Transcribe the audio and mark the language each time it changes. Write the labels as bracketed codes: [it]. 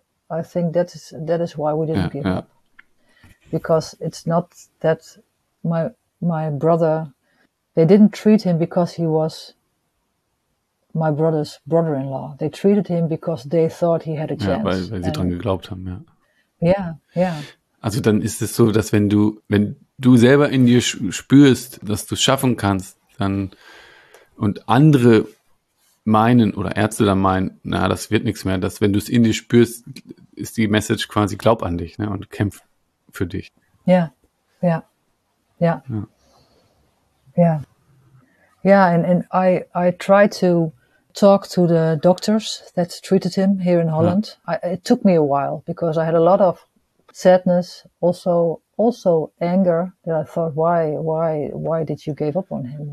[en] I think that is why we didn't give up. Because it's not that my brother, they didn't treat him because he was my brother's brother-in-law. They treated him because they thought he had a chance. [de] Ja, weil sie dran geglaubt haben, ja. Ja, ja. Also dann ist es so, dass wenn du selber in dir spürst, dass du es schaffen kannst, dann, und andere meinen oder Ärzte dann meinen, na, das wird nichts mehr, dass wenn du es in dir spürst, ist die Message quasi, glaub an dich, ne, und kämpf für dich. Ja, ja, ja. Ja. [en] Yeah. Yeah, and I tried to talk to the doctors that treated him here in Holland. Yeah. It took me a while because I had a lot of sadness, also anger, that I thought, why did you give up on him?